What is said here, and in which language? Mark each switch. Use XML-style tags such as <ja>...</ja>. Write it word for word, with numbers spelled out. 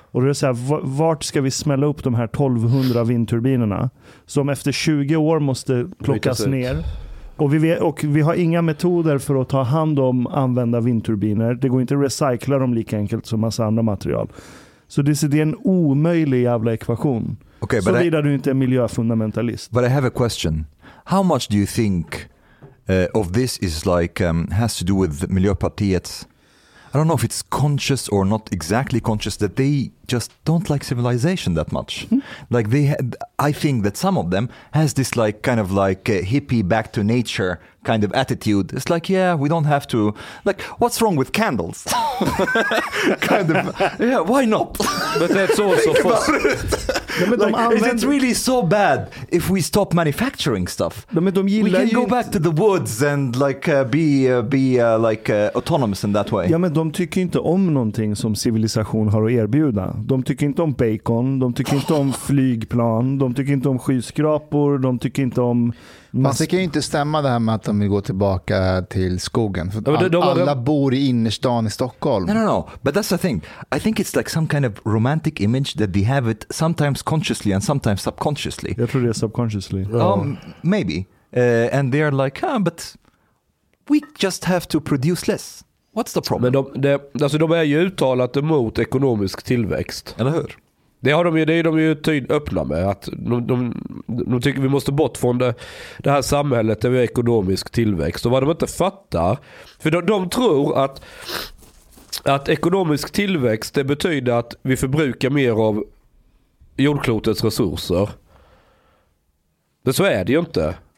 <sv>Och det är så här, vart ska vi smälla upp de här tolvhundra vindturbinerna som efter tjugo år måste plockas ner? Och vi, vet, och vi har inga metoder för att ta hand om använda vindturbiner. Det går inte att recycla dem lika enkelt som massa andra material. Så det är en omöjlig jävla ekvation.</sv> <en>Okay,</en> <sv>så vidare du inte är miljöfundamentalist.</sv> <en>But I have a question. How much do you think... Uh, of this is like um, has to do with Miljöpartiet. I don't know if it's conscious or not exactly conscious that they just don't like civilization that much. Mm. Like they, had, I think that some of them has this like kind of like uh, hippie back to nature kind of attitude. It's like, yeah, we don't have to. Like, what's wrong with candles? Kind of, yeah, why not? But that's also fossil. Like, is it really so bad if we stop manufacturing stuff?</en> <sv>De, de</sv> <en>we can go</en> <sv>inte.</sv> <en>back to the woods and like uh, be uh, be uh, like uh, autonomous in that way.</en> <sv>Ja, men de tycker inte om någonting som civilisation har att erbjuda. De tycker inte om bacon, de tycker inte om flygplan, de tycker inte om skyskrapor, de tycker inte om... Man tycker ju inte stämma det här med att de vill gå tillbaka till skogen. För all, alla bor i innerstan i Stockholm.</sv> <en>No, no, no. But that's the thing. I think it's like some kind of romantic image that they have it sometimes consciously and sometimes subconsciously.</en> <sv>Jag tror det är subconsciously.</sv> <en>Um, maybe. Uh, and they're like, ah, but we just have to produce less. What's the problem?</en> <sv>Men de, de, alltså de är ju uttalat emot ekonomisk tillväxt. Eller hur? Det har de ju, det är de ju tydligt öppna med. Att de, de, de tycker vi måste bort från det, det här samhället där vi har ekonomisk tillväxt. Och vad de inte fattar. För de, de tror att, att ekonomisk tillväxt det betyder att vi förbrukar mer av jordklotets resurser. Men så är det ju inte.</sv>